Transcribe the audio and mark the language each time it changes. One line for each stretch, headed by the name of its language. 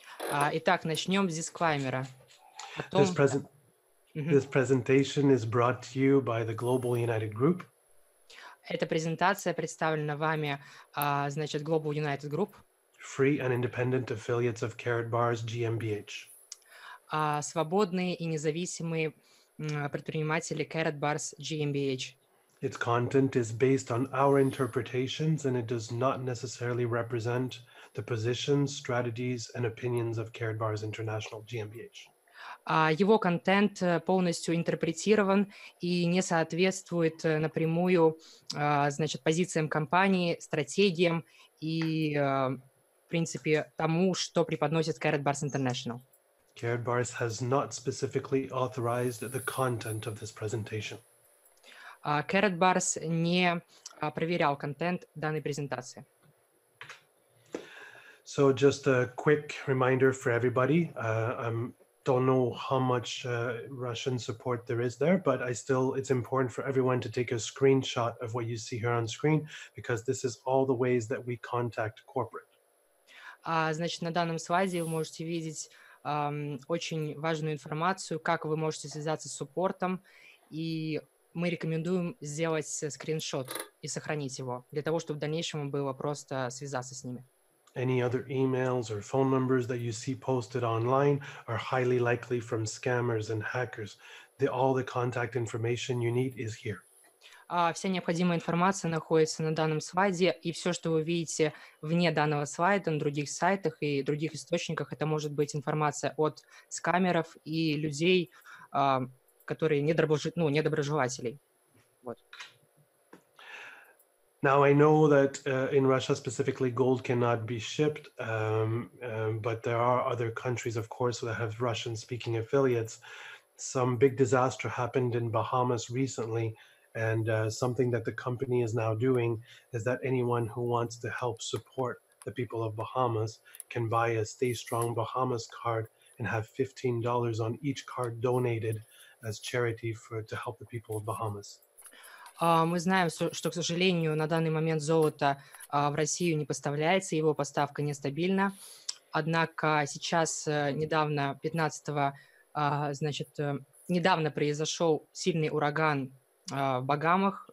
Russian: Итак, начнем с дисклаймера.
English: This presentation is brought to you by the Global United Group.
Russian: Эта презентация представлена вами, значит, Global United Group.
English: Free and independent affiliates of Carrot Bars GmbH.
Russian: Свободные и независимые предприниматели Carrot Bars GmbH.
English: Its content is based on our interpretations and it does not necessarily represent the positions, strategies and opinions of Carrot Bars International GmbH.
Russian: Его контент полностью интерпретирован и не соответствует напрямую, значит, позициям компании, стратегиям и, в принципе, тому, что преподносит Carrot Bars International.
English: Carrot Bars has not specifically authorized the content of this presentation.
Russian: Carrot Bars не проверял контент данной презентации.
English: So just a quick reminder for everybody. Don't know how much Russian support there is there, but I still, it's important for everyone to take a screenshot of what you see here on screen, because this is all the ways that we contact corporate.
Russian: Значит, на данном слайде вы можете видеть очень важную информацию, как вы можете связаться с суппортом, и мы рекомендуем сделать скриншот и сохранить его, для того, чтобы в дальнейшем было просто связаться с ними.
English: Any other emails or phone numbers that you see posted online are highly likely from scammers and hackers. All the contact information you need is here.
Russian: Вся необходимая информация находится на данном слайде, и все, что вы видите вне данного слайда, на других сайтах и других источниках, это может быть информация от скамеров и людей, которые недоброжелателей. Вот.
English: Now I know that in Russia specifically gold cannot be shipped, but there are other countries, of course, that have Russian-speaking affiliates. Some big disaster happened in Bahamas recently, and something that the company is now doing is that anyone who wants to help support the people of Bahamas can buy a Stay Strong Bahamas card and have $15 on each card donated as charity for to help the people of Bahamas.
Russian: Мы знаем, что, к сожалению, на данный момент золото в Россию не поставляется, его поставка нестабильна. Однако сейчас, недавно, 15-го, значит, недавно произошел сильный ураган в Багамах.